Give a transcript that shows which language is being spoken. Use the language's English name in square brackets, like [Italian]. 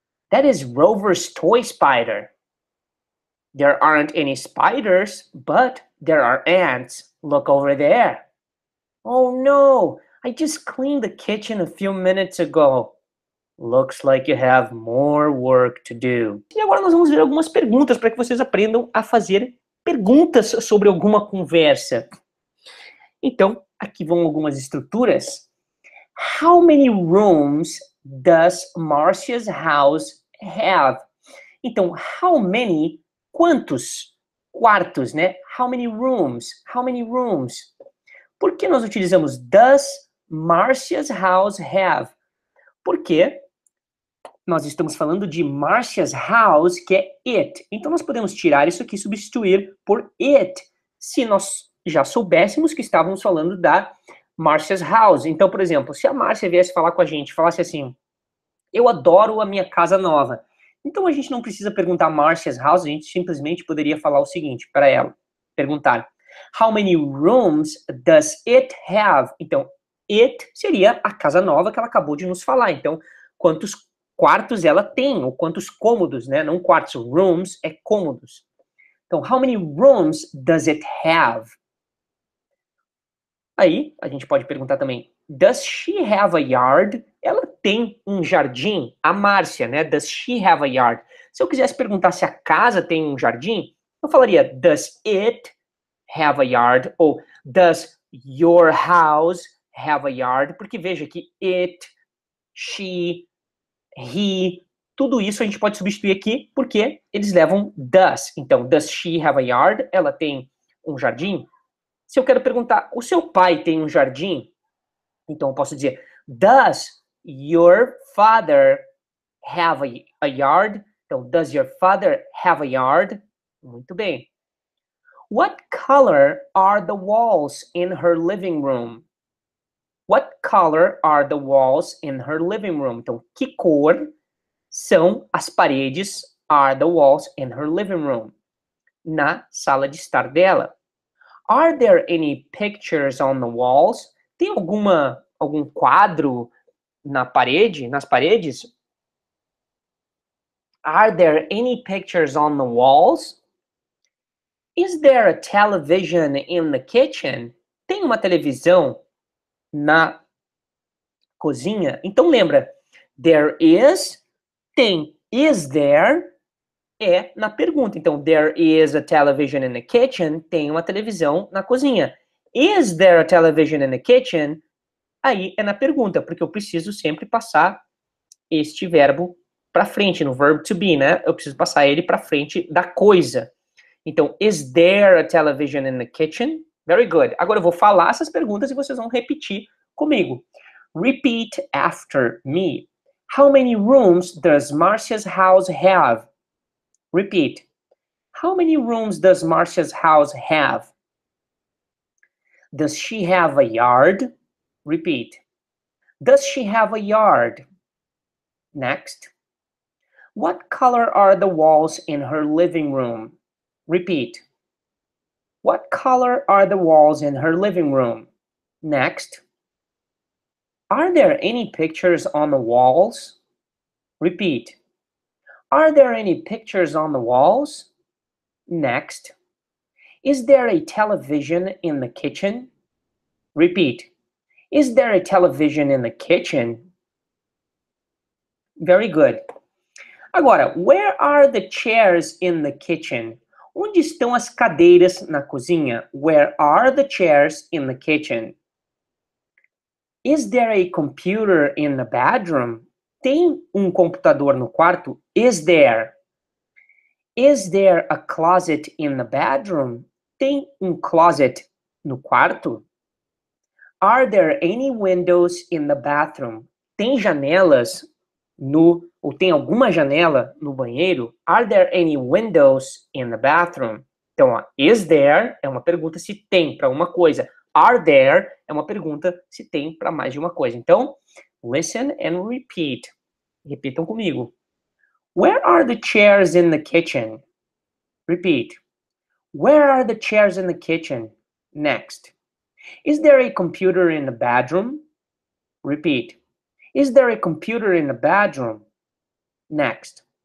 [English] That is Rover's toy spider. There aren't any spiders, but there are ants. Look over there. Oh no, I just cleaned the kitchen a few minutes ago. Looks like you have more work to do. [Portuguese] E agora nós vamos ver algumas perguntas para que vocês aprendam a fazer perguntas sobre alguma conversa. Então, aqui vão algumas estruturas. [English] How many rooms does Marcia's house have? [Portuguese] Então, [English] how many, [Portuguese] quantos quartos, né? [English] How many rooms? How many rooms? [Portuguese] Por que nós utilizamos [English] does Marcia's house have? [Portuguese] Porque nós estamos falando de [English] Marcia's house, [Portuguese] que é it. Então, nós podemos tirar isso aqui e substituir por it, se nós já soubéssemos que estávamos falando da [English] Marcia's house. [Portuguese] Então, por exemplo, se a Marcia viesse falar com a gente, falasse assim, eu adoro a minha casa nova. Então, a gente não precisa perguntar [English] Marcia's house, [Portuguese] a gente simplesmente poderia falar o seguinte para ela, perguntar. [English] How many rooms does it have? [Portuguese] Então, it seria a casa nova que ela acabou de nos falar. Então, quantos quartos ela tem, ou quantos cômodos, né? Não quartos, rooms é cômodos. Então, [English] how many rooms does it have? [Portuguese] Aí, a gente pode perguntar também, [English] does she have a yard? [Portuguese] Ela tem um jardim, a Márcia, né? [English] Does she have a yard? [Portuguese] Se eu quisesse perguntar se a casa tem um jardim, eu falaria, [English] does it have a yard? Ou, does your house have a yard? [Portuguese] Porque veja que [English] it, she, he, [Portuguese] tudo isso a gente pode substituir aqui, porque eles levam does. Então, [English] does she have a yard? [Portuguese] Ela tem um jardim? Se eu quero perguntar, o seu pai tem um jardim? Então, eu posso dizer, [English] does your father have a yard? [Portuguese] Então, [English] does your father have a yard? [Portuguese] Muito bem. [English] What color are the walls in her living room? What color are the walls in her living room? [Portuguese] Então, que cor são as paredes, [English] are the walls in her living room? [Portuguese] Na sala de estar dela. [English] Are there any pictures on the walls? [Portuguese] Tem algum quadro na parede, nas paredes? [English] Are there any pictures on the walls? Is there a television in the kitchen? [Portuguese] Tem uma televisão na cozinha? Então lembra, [English] there is, [Portuguese] tem, [English] is there, [Portuguese] é na pergunta. Então, [English] there is a television in the kitchen, [Portuguese] tem uma televisão na cozinha. [English] Is there a television in the kitchen? [Portuguese] Aí é na pergunta, porque eu preciso sempre passar este verbo para frente, no verbo to be, né? Eu preciso passar ele para frente da coisa. Então, [English] is there a television in the kitchen? Very good. [Portuguese] Agora eu vou falar essas perguntas e vocês vão repetir comigo. [English] Repeat after me. How many rooms does Marcia's house have? Repeat. How many rooms does Marcia's house have? Does she have a yard? Repeat. Does she have a yard? Next. What color are the walls in her living room? Repeat. What color are the walls in her living room? Next. Are there any pictures on the walls? Repeat. Are there any pictures on the walls? Next. Is there a television in the kitchen? Repeat. Is there a television in the kitchen? Very good. [Portuguese] Agora, [English] where are the chairs in the kitchen? [Portuguese] Onde estão as cadeiras na cozinha? [English] Where are the chairs in the kitchen? Is there a computer in the bedroom? [Portuguese] Tem um computador no quarto? [English] Is there? Is there a closet in the bedroom? [Portuguese] Tem um closet no quarto? [English] Are there any windows in the bathroom? [Portuguese] Tem janelas no... ou tem alguma janela no banheiro? [English] Are there any windows in the bathroom? [Portuguese] Então, ó, [English] is there [Portuguese] é uma pergunta se tem para uma coisa. [English] Are there [Portuguese] é uma pergunta se tem para mais de uma coisa. Então, [English] listen and repeat. [Portuguese] Repitam comigo. [English] Where are the chairs in the kitchen? Repeat. Where are the chairs in the kitchen? Next. Is there a computer in the bedroom? Repeat. Is there a computer in the bedroom? Next.